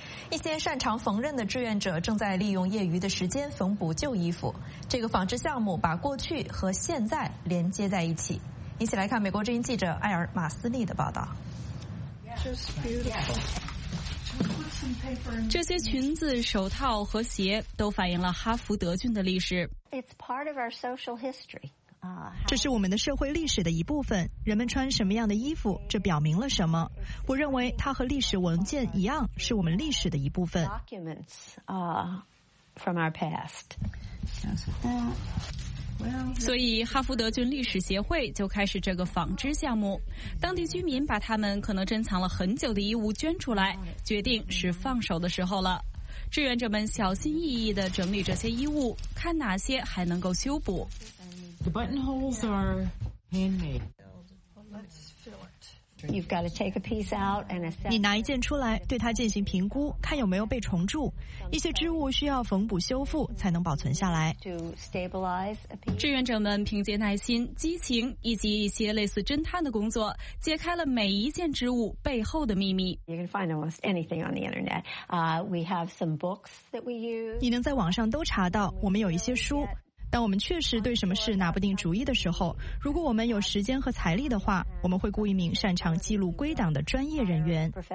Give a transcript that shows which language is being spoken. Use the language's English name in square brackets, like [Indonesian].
[Chinese] 一些擅长缝纫的志愿者正在利用业余的时间缝补旧衣服，这个纺织项目把过去和现在连接在一起。一起来看美国之音记者艾尔马斯利的报道。这些裙子、手套和鞋都反映了哈佛德郡的历史。 [English] It's part of our social history. [Chinese] 这是我们的社会历史的一部分。人们穿什么样的衣服，这表明了什么？我认为它和历史文件一样，是我们历史的一部分。 [English] Documents, from our past. [Chinese] 所以哈佛德郡历史协会就开始这个纺织项目，当地居民把他们可能珍藏了很久的衣物捐出来，决定是放手的时候了。志愿者们小心翼翼地整理这些衣物，看哪些还能够修补。 [English] The buttonholes are handmade. Let's fill it. You've got to take a piece out and assess. [Chinese] 你拿一件出来，对它进行评估，看有没有被虫蛀。一些织物需要缝补修复才能保存下来。志愿者们凭借耐心、激情以及一些类似侦探的工作，揭开了每一件织物背后的秘密。 [English] You can find almost anything on the internet. We have some books that we use. [Chinese] 你能在网上都查到，我们有一些书。当我们确实对什么事拿不定主意的时候，如果我们有时间和财力的话，我们会雇一名擅长记录归档的专业人员。